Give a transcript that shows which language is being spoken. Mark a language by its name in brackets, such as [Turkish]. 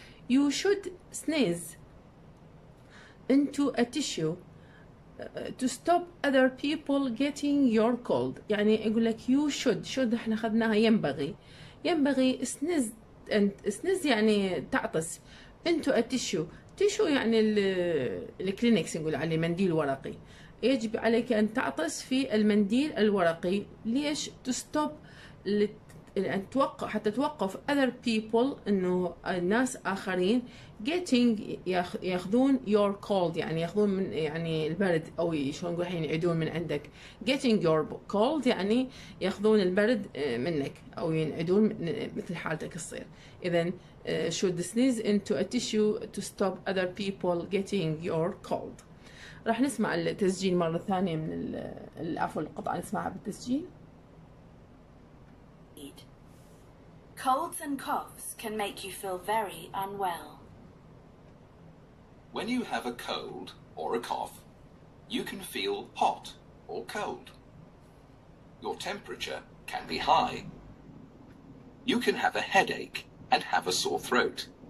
[English] You should sneeze into a tissue to stop other people getting your cold. [Arabic] يعني يقول لك [English] you should [Arabic] احنا اخذناها ينبغي سنز يعني تعطس [English] into a tissue [Arabic] يعني الكلينكس نقول عليه منديل ورقي. يجب عليك ان تعطس في المنديل الورقي. ليش؟ [English] to stop [Arabic] أن توقف حتى توقف [English] other people [Arabic] إنه الناس آخرين getting ياخذون your cold يعني ياخذون من يعني البرد أو شلون نقول الحين يعيدون من عندك [English] getting your cold [Arabic] يعني ياخذون البرد منك أو ينعدون مثل حالتك تصير. [English] إذا should sneeze into a tissue to stop other people getting your cold. [Arabic] راح نسمع التسجيل مرة ثانية من عفوا القطعة نسمعها بالتسجيل. [English] Colds and coughs can make you feel very unwell. When you have a cold or a cough, you can feel hot or cold. Your temperature can be high. You can have a headache and have a sore throat.